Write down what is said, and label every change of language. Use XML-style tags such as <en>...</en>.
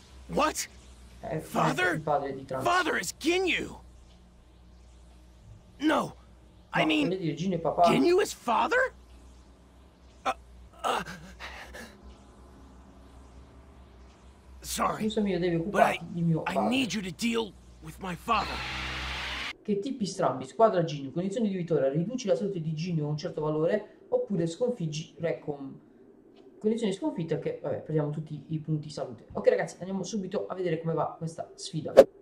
<en>What? Father?</en> <it>Il padre di Trunks.</it> <en>Father is Ginyu. No. I mean,</en> <it>Ginyu è papà.</it> <en>Ginyu is father? Sorry.</en> <it>Scusami, io devo occuparmi di mio padre.</it> <en>I need you to deal with my father.</en> <it>Che tipi strambi? Squadra Ginyu, condizioni di vittoria, riduci la salute di Ginyu a un certo valore oppure sconfiggi Recom. Condizioni sconfitte, che vabbè, prendiamo tutti i punti salute. Ok, ragazzi, andiamo subito a vedere come va questa sfida.</it>